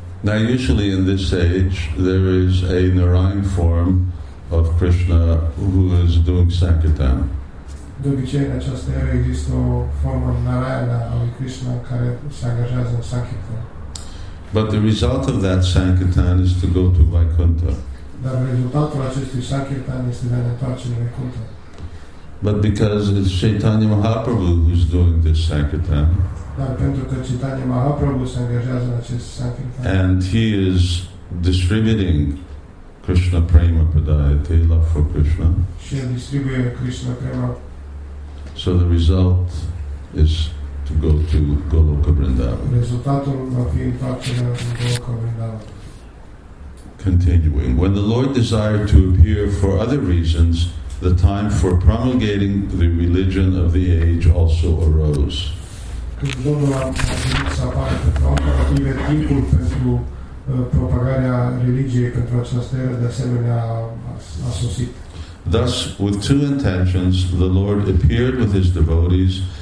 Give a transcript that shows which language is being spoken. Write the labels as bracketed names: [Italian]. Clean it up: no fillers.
[English] Now usually in this age there is a Narayana form of Krishna who is doing Sankirtan. [Romanian] De obicei, în această era există o formă Narayana a lui Krishna care se angajează în Sankirtan. [English] But the result of that Sankirtan is to go to Vaikuntha. [Romanian] Dar rezultatul acestui Sankirtan este de a ne întoarce în Vaikuntha. [English] But because it's Chaitanya Mahaprabhu who is doing this Sankirtan. [Romanian] Dar pentru că Chaitanya Mahaprabhu se angajează în acest Sankirtan. [English] And he is distributing Krishna Prema Padayate, love for Krishna. [Romanian] Și el distribuie Krishna Prema. [English] So the result is to go to Goloka Vrindavan. [Romanian] Rezultatul va fi întoarcerea în Goloka Vrindavan. [English] Continuing. When the Lord desired to appear for other reasons, the time for promulgating the religion of the age also arose. [Romanian] Când Domnul a venit să apară pentru altă, a venit timpul pentru propagarea religiei pentru această era de asemenea a sosit. [English] Thus, with two intentions, the Lord appeared with his devotees.